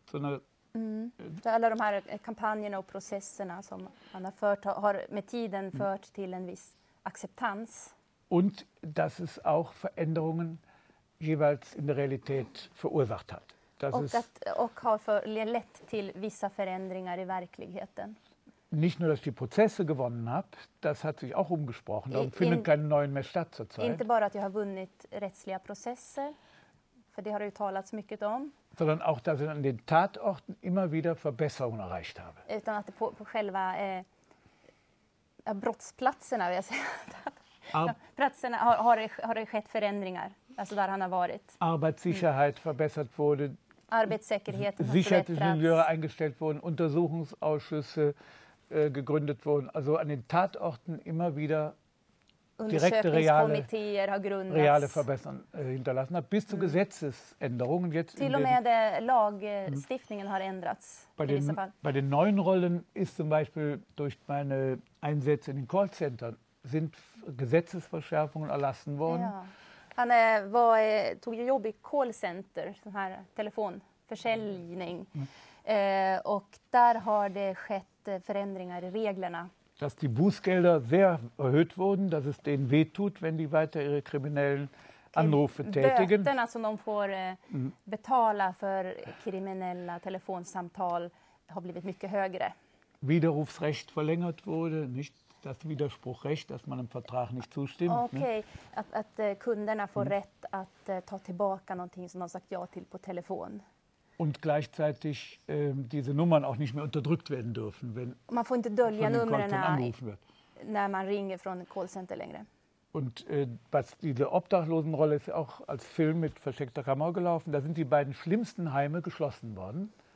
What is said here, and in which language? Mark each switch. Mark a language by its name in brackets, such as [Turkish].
[German] Zu einer [Swedish] alla de här kampanjerna och processerna som man har fört har med tiden fört till en viss acceptans. [German] Und dass es auch Veränderungen jeweils in der Realität verursacht hat. [Swedish] Och har lett till vissa förändringar i verkligheten. [German] Nicht nur, dass ich die Prozesse gewonnen habe, das hat sich auch umgesprochen. Darum finden keine neuen mehr statt zurzeit. [Swedish] Inte bara att jag har vunnit rättsliga processer. För det har ju talats mycket om. [German] Sondern auch, dass ich an den Tatorten immer wieder Verbesserungen erreicht habe. [Swedish] Utan att på själva brottsplatserna, vill jag säga. Platserna har det skett förändringar, alltså där han har varit. [German] Arbeitssicherheit verbessert wurde. [Swedish] Arbeitssäkerheten [German] hat Sicherheitsingenieure eingestellt wurden, Untersuchungsausschüsse gegründet wurden. Also an den Tatorten immer wieder direkte reale Verbesserungen hinterlassen hat, bis zu Gesetzesänderungen. Jetzt [Swedish] till och med Lagstiftningen har ändrats. [German] Bei den neuen Rollen ist zum Beispiel durch meine Einsätze in den Callcentern sind Gesetzesverschärfungen erlassen worden. Ja. [Swedish] Han tog jobb i Callcenter, sån här telefonförsäljning. Mm. Och där har det skett förändringar i reglerna. [German] Dass die Bußgelder sehr erhöht wurden, dass es denen wehtut, wenn die weiter ihre kriminellen Anrufe tätigen. [Swedish] Böterna som de får betala för kriminella telefonsamtal har blivit mycket högre. [German] Widerrufsrecht verlängert wurde, nicht das Widerspruchrecht, dass man im Vertrag nicht zustimmt. [Swedish] Okay, att kunderna får rätt att ta tillbaka någonting som de sagt ja till på telefon. [German] Und gleichzeitig diese Nummern auch nicht mehr unterdrückt werden dürfen, wenn man von den Nummern angerufen wird. Nein, man ringt von Callcenter länger. Und was diese Obdachlosenrolle ist auch als Film mit versteckter Kamera gelaufen. Da sind die beiden schlimmsten Heime geschlossen worden.